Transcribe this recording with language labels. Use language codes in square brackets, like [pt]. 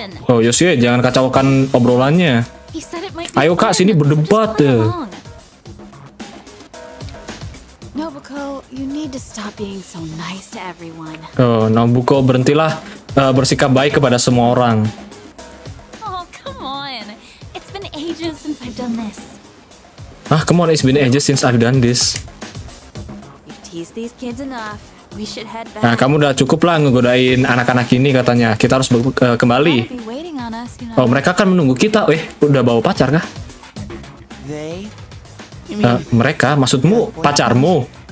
[id] Oh Yosuke, jangan kacaukan obrolannya. Ayo kak, sini berdebat. [en] Nobuko, you need to stop being so nice to everyone. [id] Oh Nobuko, berhentilah bersikap baik kepada semua orang. [en] Oh come on, it's been ages since I've done this. Ah come on, it's been ages since I've done this. You've teased these kids enough. We should head back. [id] Nah, kamu udah cukup lah ngegodain anak-anak ini katanya. Kita harus kembali. Oh, mereka kan menunggu kita. Eh, udah bawa pacar kah? Mereka, maksudmu pacarmu?